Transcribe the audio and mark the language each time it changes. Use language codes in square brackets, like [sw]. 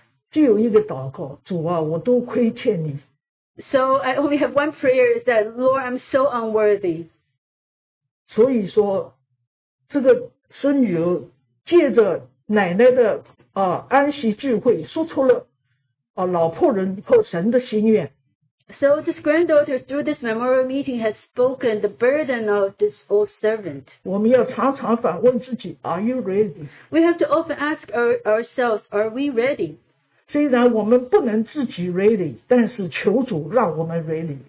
[zh] 只有一个祷告,主啊,我都亏欠你。 [en] So I only have one prayer, is that, Lord, I'm so unworthy. [zh] 所以说,这个孙女借着奶奶的安息聚会,说出了老婆人和神的心愿。 [en] So this granddaughter, through this memorial meeting, has spoken the burden of this old servant. [zh] 我们要常常反问自己, [en] are you ready? We have to often ask ourselves, are we ready? [zh] 虽然我们不能自己 ready, 但是求主让我们 ready.